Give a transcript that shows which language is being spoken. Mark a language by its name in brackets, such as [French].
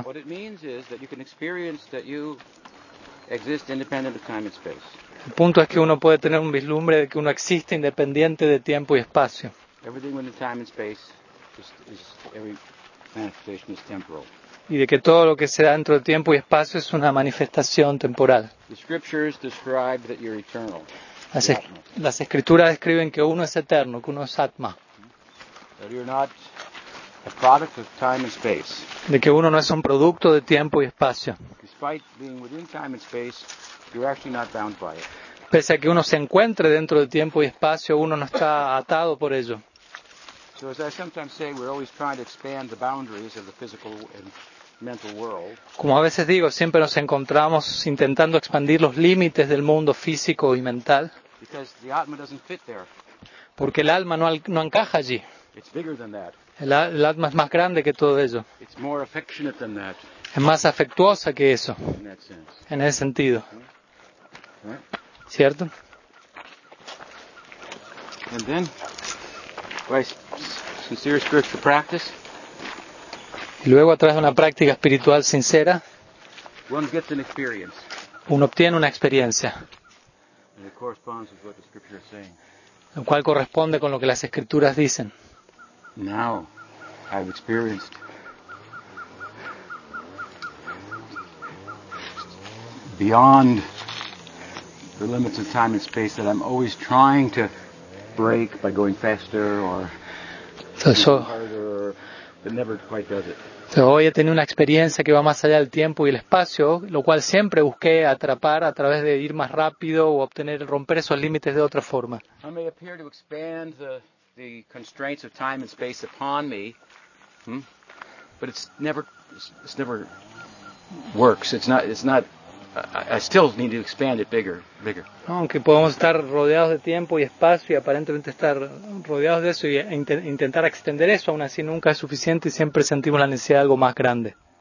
[English] What it means is that you can experience that you exist independent of time and space. [Spanish] El punto es que uno puede tener un vislumbre de que uno existe independiente de tiempo y espacio. [English] Everything within time and space is every manifestation is temporal. [Spanish] Y de que todo lo que se da dentro del tiempo y espacio es una manifestación temporal. [English] The scriptures describe that you're eternal. [Spanish] Las escrituras describen que uno es eterno, que uno es atma. [English] That you're not a product of time and space. [Spanish] De que uno no es un producto de tiempo y espacio. [English] Despite being within time and space, you're actually not bound by it. [Spanish] Pese a que uno se encuentre dentro de tiempo y espacio, uno no está atado por ello. [English] So as I sometimes say, we're always trying to expand the boundaries of the physical and mental world. [Spanish] Como a veces digo, siempre nos encontramos intentando expandir los límites del mundo físico y mental. [English] Because the atma doesn't fit there. [Spanish] Porque el alma no encaja allí. [English] It's bigger than that. [Spanish] El alma es más grande que todo ello. [English] It's more affectionate than that. [Spanish] Es más afectuosa que eso. [English] In that sense. [Spanish] En ese sentido. ¿Cierto? [English] And then, by sincere spiritual practice, [Spanish] y luego a través de una práctica espiritual sincera, [English] one gets an experience. [Spanish] Uno obtiene una experiencia. [English] And it corresponds with what the scripture is saying. [Spanish] Lo cual corresponde con lo que las escrituras dicen. [English] Now I've experienced beyond the limits of time and space that I'm always trying to break by going faster or harder, but never quite does it. [Spanish] So hoy he tenido una experiencia que va más allá del tiempo y el espacio, lo cual siempre busqué atrapar a través de ir más rápido o obtener, romper esos límites de otra forma. [English] I may appear to expand the constraints of time and space upon me, but it's never works. It's not. I still need to expand it bigger. [Spanish] Aunque podemos estar rodeados de tiempo y espacio y aparentemente estar rodeados de eso y intentar extender eso, aún así nunca es suficiente y siempre sentimos la necesidad de algo más grande.